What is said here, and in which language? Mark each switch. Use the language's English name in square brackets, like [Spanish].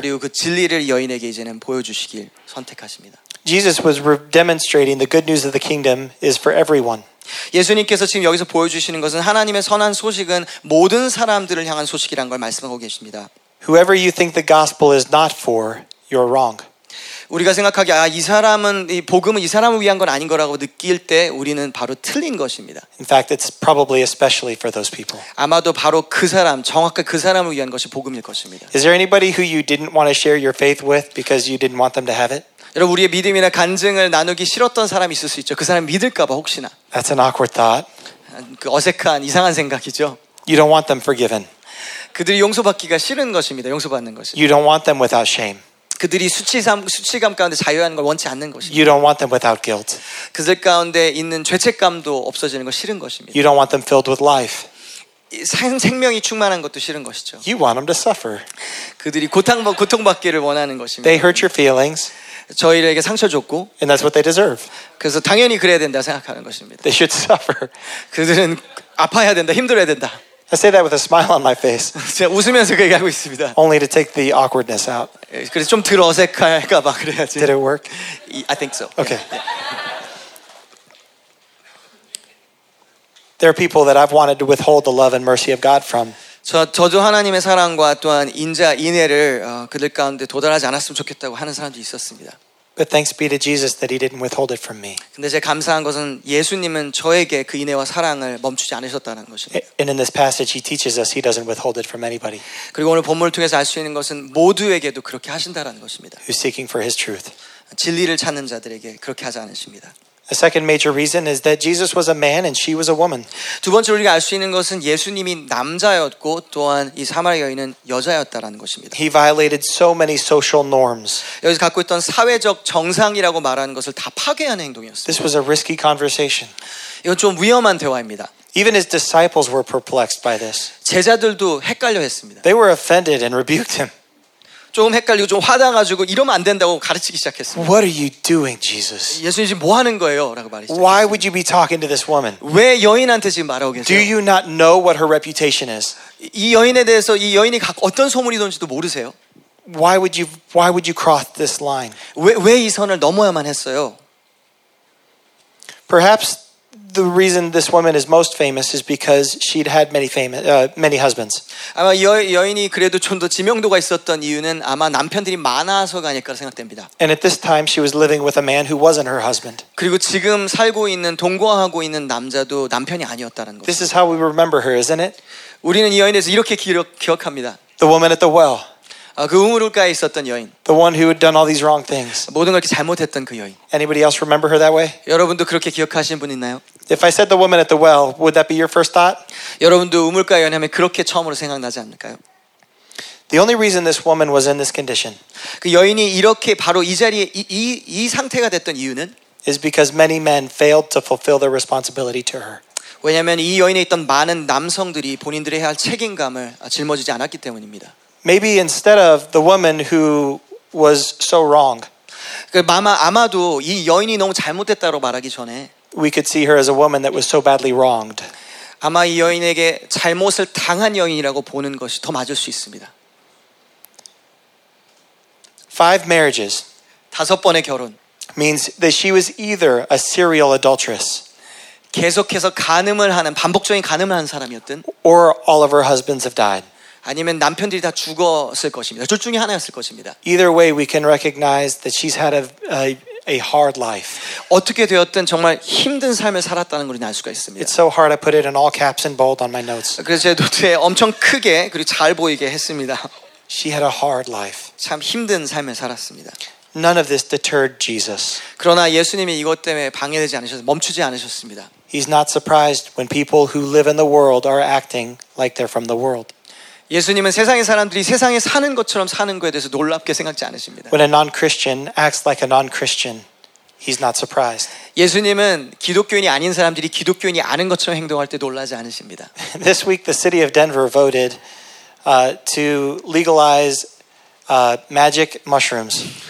[Korean] 그리고 그 진리를 여인에게 이제는 보여주시길 선택하십니다. [English] Jesus was demonstrating the good news of the kingdom is for everyone. [Korean] 예수님께서 지금 여기서 보여주시는 것은 하나님의 선한 소식은 모든 사람들을 향한 소식이라는 걸 말씀하고 계십니다. [English] Whoever you think the gospel is not for, you're wrong. [Korean] 우리가 생각하기에 이 사람은 이 복음은 이 사람을 위한 건 아닌 거라고 느낄 때 우리는 바로 틀린 것입니다. [English] In fact, it's probably especially for those people. [Korean] 아마도 바로 그 사람, 정확히 그 사람을 위한 것이 복음일 것입니다. [English] Is there anybody who you didn't want to share your faith with because you didn't want them to have it? [Korean] 여러분 우리의 믿음이나 간증을 나누기 싫었던 사람이 있을 수 있죠. 그 사람 믿을까 봐 혹시나. [English] That's an awkward thought. [Korean] 그 어색한 이상한 생각이죠. [English] You don't want them forgiven. [Korean] 그들이 용서받기가 싫은 것입니다. 용서받는 것이. [English] You don't want them without shame. [Korean] 그들이 수치감 가운데 자유하는 걸 원치 않는 것입니다. [English] You don't want them without guilt. [Korean] 그들 가운데 있는 죄책감도 없어지는 거 싫은 것입니다. [English] You don't want them filled with life. [Korean] 생명이 충만한 것도 싫은 것이죠. [English] You want them to suffer. [Korean] 그들이 고통받기를 원하는 것입니다. [English] They hurt your feelings. [Korean] 저희에게 상처 줬고. [English] And that's what they deserve. [Korean] 그래서 당연히 그래야 된다 생각하는 것입니다. [English] They should suffer. [Korean] 그들은 아파야 된다, 힘들어야 된다. [English] I say that with a smile on my face. [Korean] 웃으면서 그 얘기하고 있습니다. [English] Only to take the awkwardness out. [Korean] 그래서 좀 덜 어색할까 봐 그래야지. [English] Did it work? I think so. Okay. There are people that I've wanted to withhold the love and mercy of God from. [Korean] 저도 하나님의 사랑과 또한 인자 인애를 그들 가운데 도달하지 않았으면 좋겠다고 하는 사람도 있었습니다. [English] But thanks be to Jesus that He didn't withhold it from me. [Korean] 근데 제가 감사한 것은 예수님은 저에게 그 인애와 사랑을 멈추지 않으셨다는 것입니다. [English] And in this passage, He teaches us He doesn't withhold it from anybody. [Korean] 그리고 오늘 본문을 통해서 알 수 있는 것은 모두에게도 그렇게 하신다라는 것입니다. [English] Who's seeking for His truth? [Korean] 진리를 찾는 자들에게 그렇게 하지 않으십니다. [English] The second major reason is that Jesus was a man and she was a woman. [Korean] 두 번째 우리가 알 수 있는 것은 예수님이 남자였고 또한 이 사마리아 여인은 여자였다라는 것입니다. [English] He violated so many social norms. [Korean] 여기서 갖고 있던 사회적 정상이라고 말하는 것을 다 파괴하는 행동이었습니다. [English] This was a risky conversation. [Korean] 이건 좀 위험한 대화입니다. [English] Even his disciples were perplexed by this. [Korean] 제자들도 헷갈려했습니다. [English] They were offended and rebuked him. [Korean] 좀 헷갈리고 좀 화나가지고 이러면 안 된다고 가르치기 시작했어요. [English] What are you doing, Jesus? [Korean] 예수님 지금 뭐 하는 거예요?라고 말했어요. [English] Why would you be talking to this woman? [Korean] 왜 여인한테 지금 말하고 계세요? [English] Do you not know what her reputation is? [Korean] 이 여인에 대해서 이 여인이 어떤 소문이 돈지도 모르세요? [English] Why would you cross this line? [Korean] 왜 이 선을 넘어야만 했어요? [English] Perhaps the reason this woman is most famous is because she'd had many husbands. [Korean] 아마 여인이 그래도 좀 더 지명도가 있었던 이유는 아마 남편들이 많아서가 아닐까 생각됩니다. [English] And at this time, she was living with a man who wasn't her husband. [Korean] 그리고 지금 살고 있는 동거하고 있는 남자도 남편이 아니었다는 거. [English] This is how we remember her, isn't it? [Korean] 우리는 이 여인에서 이렇게 기억합니다. [English] The woman at the well. [Korean] 그 우물가에 있었던 여인. [English] The one who had done all these wrong things. [Korean] 모든 걸 잘못했던 그 여인. [English] Anybody else remember her that way? [Korean] 여러분도 그렇게 기억하시는 분 있나요? [English] If I said the woman at the well, would that be your first thought? [Korean] 여러분도 우물가에 연하면 그렇게 처음으로 생각나지 않을까요? [English] The only reason this woman was in this condition. [Korean] 그 여인이 이렇게 바로 이 자리에 이 상태가 됐던 이유는 [English] is because many men failed to fulfill their responsibility to her. [Korean] 왜냐면 이 여인에 있던 많은 남성들이 본인들의 해야 할 책임감을 짊어지지 않았기 때문입니다. [English] Maybe instead of the woman who was so wrong. [Korean] 아마도 이 여인이 너무 잘못됐다고 말하기 전에 [English] we could see her as a woman that was so badly wronged. [Korean] 아마 이 여인에게 잘못을 당한 여인이라고 보는 것이 더 맞을 수 있습니다. [English] Five marriages. [Korean] 다섯 번의 결혼 [English] means that she was either a serial adulteress. [Korean] 계속해서 간음을 하는 반복적인 간음을 하는 사람이었든 [English] or all of her husbands have died. [Korean] 아니면 남편들이 다 죽었을 것입니다. 둘 중에 하나였을 것입니다. [English] Either way, we can recognize that she's had a hard life. [Korean] 어떻게 되었든 정말 힘든 삶을 살았다는 걸 알 수가 있습니다. [English] It's so hard. I put it in all caps and bold on my notes. [Korean] 그래서 제 노트에 엄청 크게 그리고 잘 보이게 했습니다. [English] She had a hard life. [Korean] 참 힘든 삶을 살았습니다. [English] None of this deterred Jesus. [Korean] 그러나 예수님이 이것 때문에 방해되지 않으셔서 멈추지 않으셨습니다. [English] He's not surprised when people who live in the world are acting like they're from the world. [Korean] 예수님은 세상의 사람들이 세상에 사는 것처럼 사는 것에 대해서 놀랍게 생각지 않으십니다. [English] When a non-Christian acts like a non-Christian, he's not surprised. [Korean] 예수님은 기독교인이 아닌 사람들이 기독교인이 아닌 것처럼 행동할 때 놀라지 않으십니다. [English] This week, the city of Denver voted to legalize magic mushrooms.